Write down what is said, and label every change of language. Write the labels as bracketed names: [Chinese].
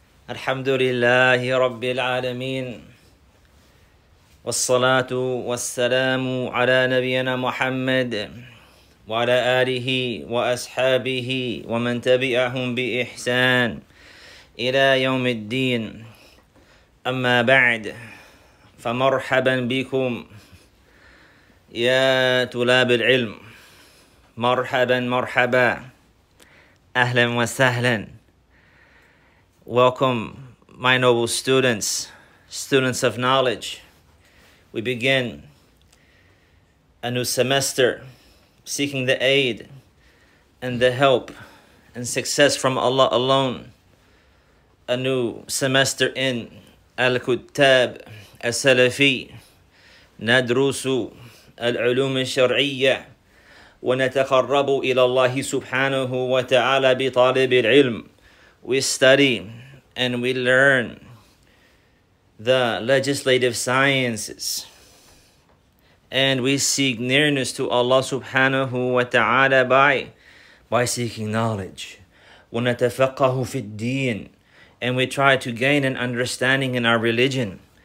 [Arabic] الحمد لله رب العالمين، والصلاة والسلام على نبينا محمد وعلى آله وأصحابه ومن تبعهم بإحسان إلى يوم الدين. أما بعد، فمرحبا بكم يا طلاب العلم، مرحبا مرحبا، أهلا وسهلا. [English] Welcome, my noble students, students of knowledge. We begin a new semester seeking the aid and the help and success from Allah alone. A new semester in Al-Kuttab Al-Salafi. [Arabic] Nadrusu Al-Ulum Al-Shar'iyya. ونتقرب إلى الله سبحانه وتعالى بطالب العلم. [English] We study and we learn the legislative sciences, and we seek nearness to Allah [Arabic] سبحانه وتعالى [English] by seeking knowledge. [Arabic] ونتفقه في الدين, [English] and we try to gain an understanding in our religion.